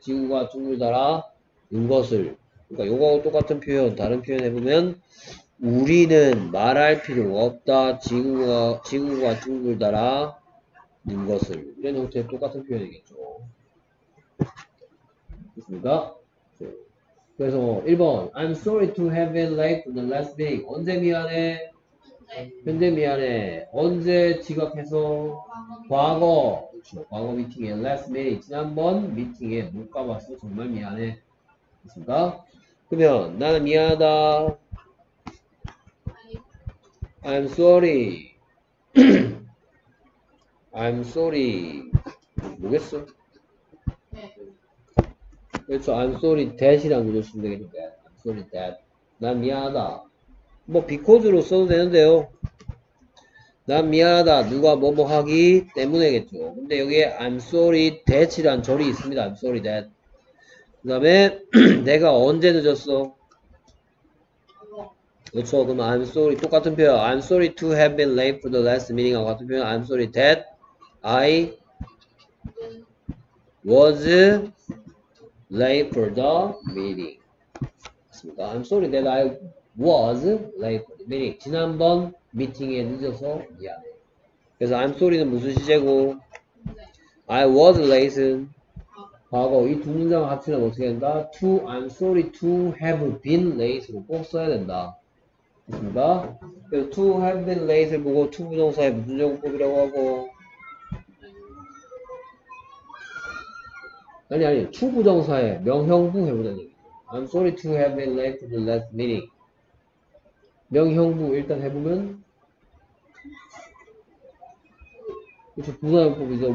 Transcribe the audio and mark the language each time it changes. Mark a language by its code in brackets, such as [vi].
[ko] 지구가 둥글다라? 이것을. 그러니까 이거하고 똑같은 표현, 다른 표현 해보면 우리는 말할 필요가 없다. 지구가 둥글다라? 는 것을. 이런 형태의 똑같은 표현이겠죠. 됐습니까? 그래서 1번. [en] I'm sorry to have been late for the last meeting. [ko] 언제 미안해? 현재 미안해. 언제 지각해서? 과거. 그렇죠. 과거 미팅에. [en] Last meeting. [ko] 지난번 미팅에 못 가봤어. 정말 미안해. 됐습니까? 그러면 나는 미안하다. [en] I'm sorry. I'm sorry. [ko] 뭐겠어? 네. 그렇죠. [en] I'm sorry that이라고 줬으면 되겠죠. That. I'm sorry that. [ko] 난 미안하다. 뭐 because로 써도 되는데요. 난 미안하다. 누가 뭐뭐 하기 때문에겠죠. 근데 여기에 [en] I'm sorry that이라는 [ko] 절이 있습니다. [en] I'm sorry that. [ko] 그 다음에 내가 언제 늦었어? 그렇죠. 그럼 [en] I'm sorry. [ko] 똑같은 표현. [en] I'm sorry to have been late for the last meeting. [ko] 같은 표현. [en] I'm sorry that. I was late for the meeting. [ko] 맞습니다. [en] I'm sorry that I was late for the meeting. [ko] 지난번 미팅에 늦어서 미안해. 그래서 [en] I'm sorry는 [ko] 무슨 시제고 [en] I was late. [ko] 과거 이 두 문장 합치면 어떻게 된다? [en] To I'm sorry to have been late로 [ko] 꼭 써야 된다. 맞습니다. 그래서 to have been late를 보고 to 부정사의 무슨 제곱법이라고 하고. 아니 to 부정사의 명형부 해보자는 얘기. [en] I'm sorry to have been late for the last meeting. [ko] 명형부 일단 해보면 그쵸, 부정형법이죠.